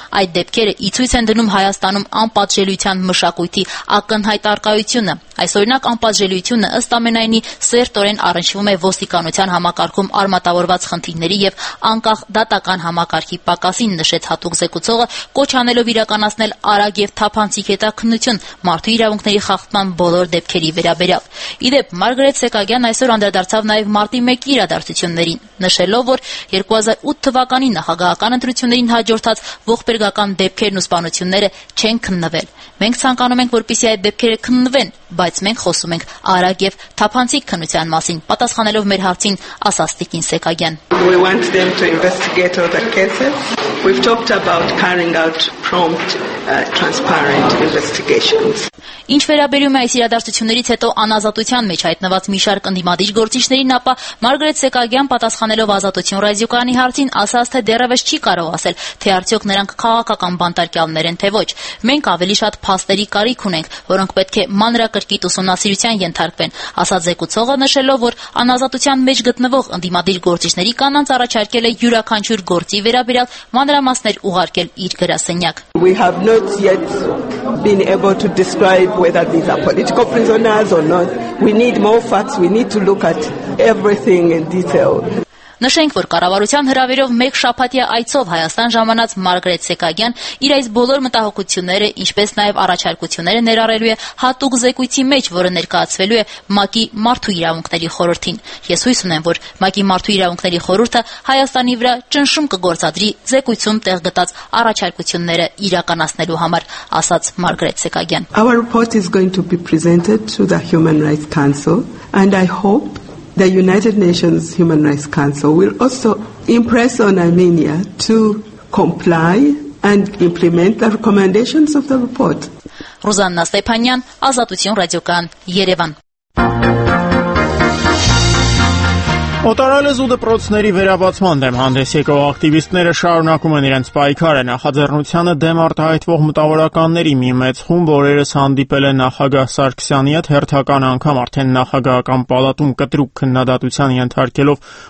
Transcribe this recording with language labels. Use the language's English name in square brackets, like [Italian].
[Armenian] Այդ դեպքերը ի ցույց են դնում Հայաստանում անպատժելիության մշակույթի ակնհայտ առկայությունը։ Այսօրինակ անպատժելիությունը ըստ ամենայնի սերտորեն առնչվում է ոստիկանության համակարգում արմատավորված խնդիրների և անկախ դատական համակարգի պակասին, նշեց հատուկ զեկուցողը, կոչ անելով իրականացնել արագ և թափանցիկ հետաքննություն մարդու իրավունքների խախտման բոլոր դեպքերի վերաբերյալ։ Ի դեպ, Մարգրետ Սեկագյան այսօր անդրադարձավ նաև մարտի 1-ի իրադարձություններին, նշելով, որ 2008 թվականի նախագահական ընտրություններին հաջորդած ողբերգական դեպքերն ու սպանությունները չեն քննվել։ Մենք ցանկանում ենք, որպեսզի այդ դեպքերը քննվեն, բայց մենք խոսում ենք արագ և թափանցիկ քննության մասին, պատասխանելով մեր հարցին, ասաց Տիկին Սեկագյան։ [English] We want them to investigate all the cases. We've talked about carrying out prompt, transparent investigations. [Armenian] Ինչ վերաբերում է այս իրադարձություններից հետո անազատության մեջ հայտնված մի շարք ընդդիմադիր գործիչներին, ապա Մարգրետ Սեկագյան, պատասխանելով Ազատություն ռադիոկանի հարցին, ասաց, թե դեռևս չի կարող ասել, թե արդյոք նրանք քաղաքական բանտարկյալներ են, թե ոչ։ Մենք ավելի շատ փաստերի կարիք ունենք, որոնք պետք է մանրակրկիտ ուսումնասիրության ենթարկվեն, ասաց զեկուցողը, նշելով, որ անազատության մեջ գտնվող ընդդիմադիր գործիչների կանանց առաջարկել է յուրաքանչյուր գործի վերաբերյալ մանրամասներ ուղարկել իր գրասենյակ։ [English] We have not yet been able to describe whether these are political prisoners or not. We need more facts. We need to look at everything in detail. [Armenian] Նշենք, որ կառավարության հրավերով մեկ շաբաթյա այցով Հայաստան ժամանած Մարգրետ Սեկագյան իր այս բոլոր մտահոգությունները, ինչպես նաև առաջարկությունները ներառելու է հատուկ զեկույցի մեջ, որը ներկայացվելու է ՄԱԿ-ի մարդու իրավունքների խորհրդին։ Ես հույս ունեմ, որ ՄԱԿ-ի մարդու իրավունքների խորհուրդը Հայաստանի վրա ճնշում կգործադրի զեկույցում տեղ գտած առաջարկությունները իրականացնելու համար, ասաց Մարգրետ Սեկագյան։ [English] Our report is going to be presented to the Human Rights Council, and I hope the United Nations Human Rights Council will also impress on Armenia to comply and implement the recommendations of the report. [Armenian] Ռուզաննա Ստեփանյան, Ազատություն ռադիոկան, Երևան։ Օտարալ զու դպրոցների վերաբացման դեմ հանդես եկող ակտիվիստները շարունակում են իրենց պայքարը։ Նախաձեռնությանը դեմ արտահայտվող մտավորականների մի մեծ խումբ օրերս հանդիպել է նախագահ Սարգսյանի հետ, հերթական անգամ արդեն նախագահական պալատում կտրուկ քննադատության ենթարկելով